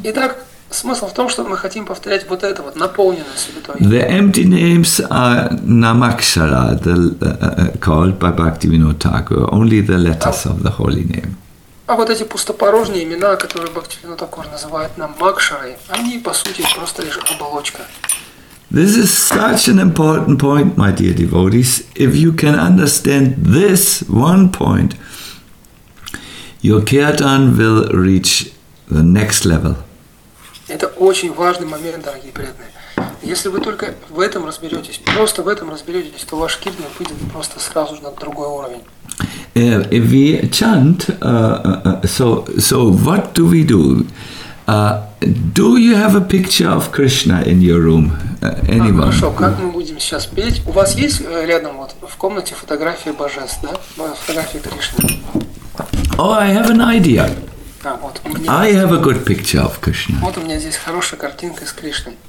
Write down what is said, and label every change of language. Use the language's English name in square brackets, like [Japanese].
[Russian] Итак, смысл в том, что мы хотим повторять вот это вот наполненное святое. [English] The empty names are Namakshara, called by Bhaktivinoda Thakur, only the letters of the holy name. [Russian] А вот эти пустопорожние имена, которые Бхактивинода Такур называет намакшарой, они, по сути, просто лишь оболочка. [English] This is such an important point, my dear devotees. If you can understand this one point, your kirtan will reach the next level. [Russian] Это очень важный момент, дорогие преданные. Если вы только в этом разберетесь, просто в этом разберетесь, то ваш киртан выйдет просто сразу же на другой уровень. [English] If we chant, so what do we do? Do you have a picture of Krishna in your room? Anyone? [Russian] Хорошо, как мы будем сейчас петь? У вас есть рядом вот в комнате фотография божеств, да? Фотография Кришны. [English] Oh, I have an idea. [Russian] Вот, [English] I have a good picture of Krishna. [Russian] Вот у меня здесь хорошая картинка с Кришной.